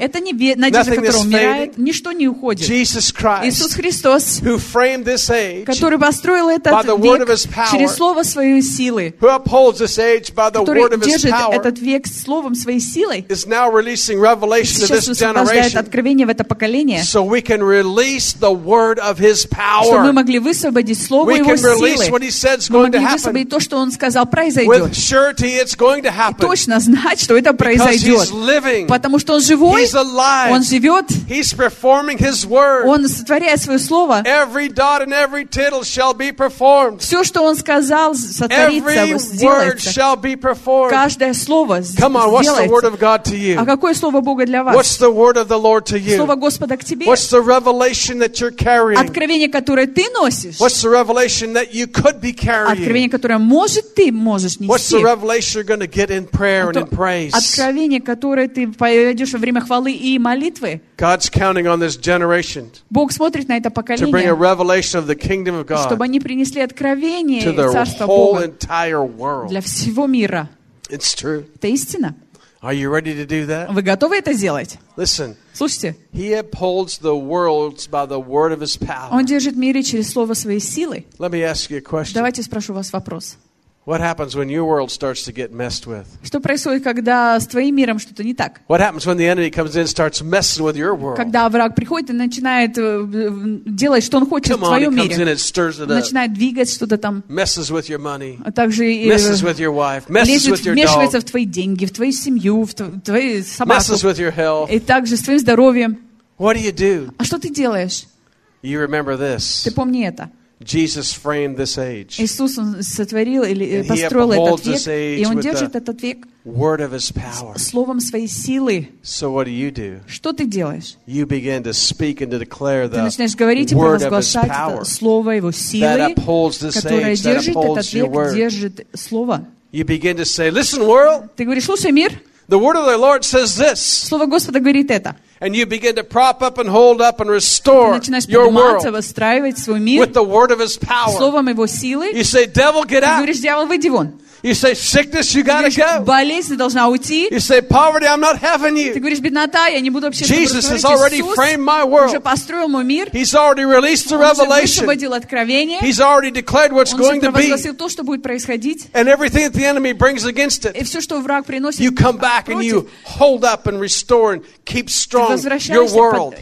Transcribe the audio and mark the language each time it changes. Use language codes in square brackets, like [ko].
[ru] Это не надежда, которая умирает. Ничто не уходит. [en] Jesus Christ. [ru] Иисус Христос. [en] Who framed this age. [ru] Который построил этот век через слово своей силы. [en] Who upholds this age by the word of his power? [ru] Словом, силой, [en] is now releasing revelation to this generation. So we can release the word of his power. [ru] Чтобы мы могли высвободить слово его [en] We can release what he said is going to happen. [ru] Мы могли то, что он сказал, произойдет. [en] With surety, it's going to happen. [ru] И точно знать, что это произойдет. [en] Because he's living. [ru] Потому что он живой. [en] He's alive. [ru] Он живет. [en] He's performing his word. [ru] Он сотворяет свое слово. [en] Every dot and every tittle shall be performed. [ru] Все, что он сказал, сотворится. [en] Every word shall be performed. [ru] Каждое слово сделается. [en] Come on, what's the word of God to you? [ru] А какое слово Бога для вас? [en] What's the word of the Lord to you? [ru] Слово Господа к тебе. [en] What's the revelation that you're carrying? [ru] Откровение, которое ты носишь. [en] What's the revelation that you could be carrying? [ru] Откровение, которое может ты можешь нести. [en] What's the revelation you're going to get in prayer and in praise? [ru] Откровение, которое ты пойдешь во время хвалы и молитвы. [en] God's counting on this generation. [ru] Бог смотрит на это поколение. [en] To bring a revelation of the kingdom of God. [ru] Чтобы они принесли откровение царства Бога. Для всего мира. [en] It's true. [ru] Это истина. [en] Are you ready to do that? [ru] Вы готовы это сделать? [en] Listen. [ru] Слушайте. [en] He upholds the worlds by the word of his power. [ru] Он держит мир через слово своей силы. [en] Let me ask you a question. [ru] Давайте спрошу вас вопрос. [en] What happens when your world starts to get messed with? [ru] Что происходит, когда с твоим миром что-то не так? [en] What happens when the enemy comes in and starts messing with your world? [ru] Когда враг приходит и начинает делать, что он хочет в твоем мире? [en] Come on, he comes in and stirs it up. [ru] Начинает двигать что-то там. [en] Messes with your money. [ru] А также [en] messes with your wife. Messes with your dog. [ru] Вмешивается в твои деньги, в твою семью, в твои собаку. [en] Messes with your health. [ru] И также с твоим здоровьем. [en] What do you do? [ru] А что ты делаешь? [en] You remember this. [ru] Ты помни это. [en] Jesus framed this age. [ru] Иисус сотворил или построил этот век, и он держит этот век [en] word of his power. [ru] Словом своей силы. [en] So what do you do? [ru] Что ты делаешь? [en] You begin to speak and to declare the [ru] ты начинаешь говорить и провозглашать слово его силы, которое держит этот век, держит слово. [en] You begin to say, "Listen, world." [ru] Ты говоришь, слушай, мир. [en] The word of the Lord says this. [ru] Слово Господа говорит это. [en] And you begin to prop up and hold up and restore your world. [ru] Восстраивать свой мир. [en] With the word of his power. [ru] Словом его силы. [en] You say, devil, get out. [ru] Ты говоришь, дьявол, выйди вон. [en] You say, sickness, you gotta go. [ru] Болезнь, ты должна уйти. [en] You say, poverty, I'm not having you. [ru] Ты говоришь, беднота, я не буду вообще. [en] Jesus has already framed my world. [ru] Уже построил мой мир. [en] He's already released the revelation. [ru] Он уже высвободил откровение. [en] He's already declared what's going to be. [ru] Он уже провозгласил то, что будет происходить. [en] And everything that the enemy brings against it. [ru] И все, что враг приносит. [en] You come back and you hold up and restore and keep strong your world.